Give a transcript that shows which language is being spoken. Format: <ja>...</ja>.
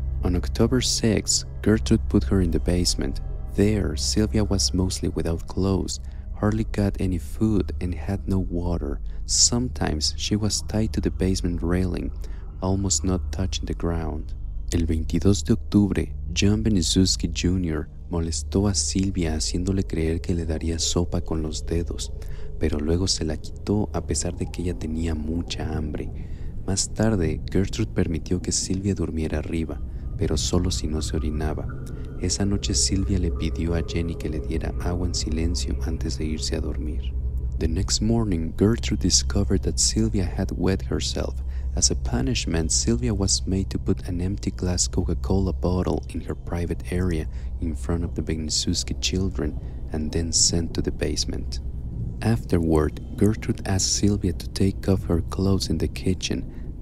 <en>On October 6, Gertrude put her in the basement. There, Sylvia was mostly without clothes, hardly got any food, and had no water. Sometimes, she was tied to the basement railing, almost not touching the ground.</en> <es>El 22 de octubre, John Benzuski Jr. molestó a Sylvia haciéndole creer que le daría sopa con los dedos, pero luego se la quitó a pesar de que ella tenía mucha hambre. Más tarde, Gertrude permitió que Sylvia durmiera arriba, pero solo si no se orinaba. Esa noche Sylvia le pidió a Jenny que le diera agua en silencio antes de irse a dormir.</es> <en>The next morning, Gertrude discovered that Sylvia had wet herself. As a punishment, Sylvia was made to put an empty glass Coca-Cola bottle in her private area in front of the Benzuski children and then sent to the basement. Afterward, Gertrude asked Sylvia to take off her clothes in the kitchen.</en>